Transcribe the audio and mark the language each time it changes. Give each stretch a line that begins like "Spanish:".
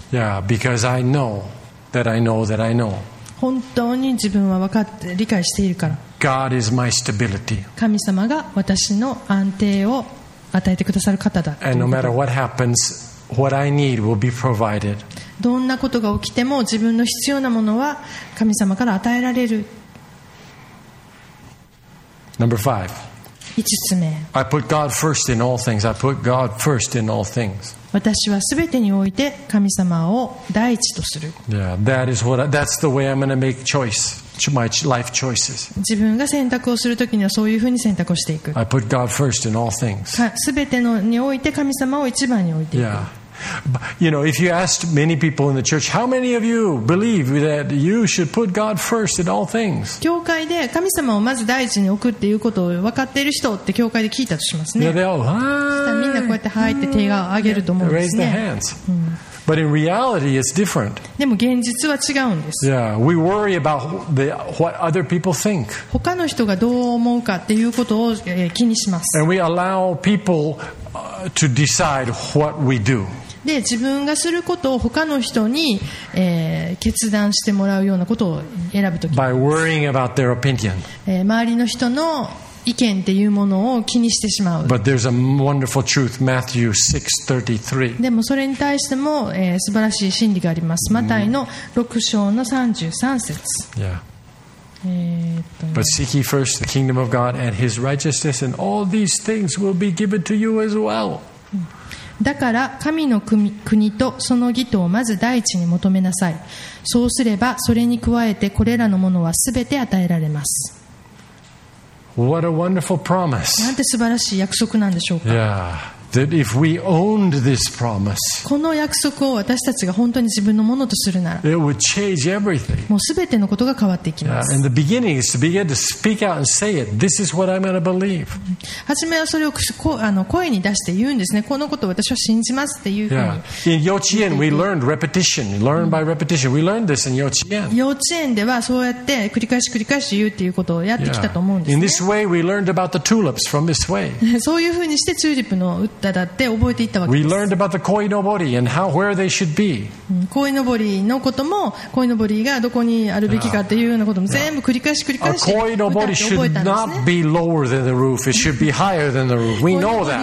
English: Yeah, because I know that I know that I know.
Japanese: 本当に自分は分かって理解しているから。
English: God is my stability.
Japanese: 神様が私の安定を与えてくださる方だ。
English: And no matter what happens, what I need will be provided.
Japanese: どんなことが起きても自分の必要なものは神様から与えられる。
English: Number five.
Japanese: 5つ目。
English: I put God first in all things. I put God first in all things.
Japanese: 私はすべてにおいて神様を第一とする。
English: Yeah, that is what that's the way I'm going to make choice, my life choices.
Japanese: 自分が選択をするときにはそういうふうに選択をしていく。
English: I put God first in all things.
Japanese: すべてにおいて神様を一番に置いていく。
English: Yeah, you know, if you asked many people in the church, how many of you believe that you should put God first in all things?
Japanese: 教会で神様をまず第一に置くっていうことを分かっている人って教会で聞いたとしますね。
English: Yeah, they all hi.
Japanese: みんなこうやって入って手を上げると思うんですね。
English: Yeah, But in reality, it's different.
Japanese: でも現実は違うんです。
English: Yeah, we worry about what other people think.
Japanese: 他の人がどう思うかっていうことを気にします。
English: And we allow people to decide what we do.
Japanese: で自分がすることを他の人に、決断してもらうようなことを選ぶとき。
English: By worrying about their opinion.
Japanese: 周りの人の意見っていうものを気にしてしまう。
English: But there's a wonderful truth, Matthew 6:33.
Japanese: でもそれに対しても、素晴らしい真理があります。マタイの6章の33節。
English: Yeah. But seek ye first the kingdom of God and his righteousness, and all these things will be given to you as well.
Japanese: だから神の 国とその義とをまず第一に求めなさい。そうすればそれに加えてこれらのものはすべて与えられます。
English: What a wonderful promise.
Japanese: なんて素晴らしい約束なんでしょうか。
English: Yeah. That if we owned this promise,
Japanese: この約束を私たちが本当に自分のものとするなら、
English: it would change everything.
Japanese: もうすべてのことが変わっていきます。
English: And the beginning is to begin to speak out and say it. This is what I'm going to believe.
Japanese: 初めはそれを声に出して言うんですね。このことを私は信じますっていうふうに。
English: Yeah. In 幼稚園 we learned repetition. Learn by repetition. We learned this in 幼稚園。
Japanese: 幼稚園ではそうやって繰り返し繰り返し言うっていうことをやってきたと思うんですね。
English: In this way, we learned about the tulips from this way.
Japanese: そういうふうにしてチューリップのだって覚えていったわけです。
English: We learned about the koi nobori and how, where they should be.
Japanese: Koi nobori のことも、koi nobori がどこにあるべきかっていうようなことも全部繰り返し繰り返し。
English: Koi nobori should not be lower than the roof. It should be higher than the roof. We know that.